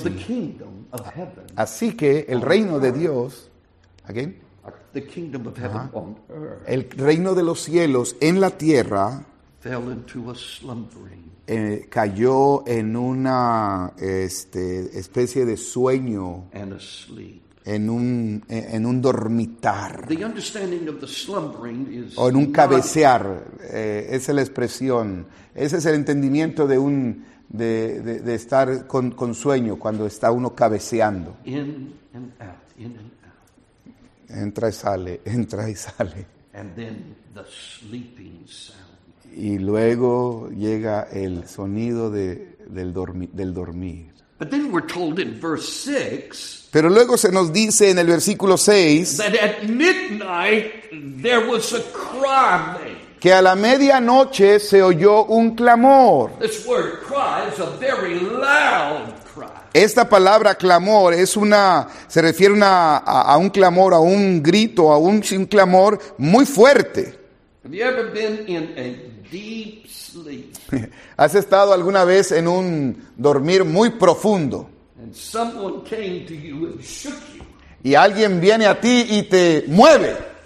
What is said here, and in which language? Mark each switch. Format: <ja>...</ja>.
<es>sí. Así que el reino de Dios</es> <en>Again? The kingdom of heaven on earth.</en> <es>El reino de los cielos en la tierra</es> <en>fell into a slumbering.</en> <es>Cayó en una especie de sueño.</es> <en>And a sleep.</en> <es>En un dormitar.</es> <en>The understanding of the slumbering is</en> <es>o en un cabecear. Esa es la expresión. Ese es el entendimiento de un de estar con sueño cuando está uno cabeceando.</es> <en>In and out, in and out.</en> <es>Entra y sale, entra y sale.</es> <en>And then the sleeping sound.</en> <es>Y luego llega el sonido del dormir.</es> <en>But then we're told in verse 6.</en> <es>Pero luego se nos dice en el versículo 6.</es> <en>That at midnight there was a cry.</en> <es>Que a la medianoche se oyó un clamor.</es> <en>This word cry is a very loud cry.</en> <es>Esta palabra clamor es una se refiere a un clamor, a un grito, a un clamor muy fuerte.</es> <en>Have you ever been in a deep sleep?</en> <es>¿Has estado alguna vez en un dormir muy profundo?</es> <en>And someone came to you and shook you.</en> <es>Y alguien viene a ti y te mueve.</es>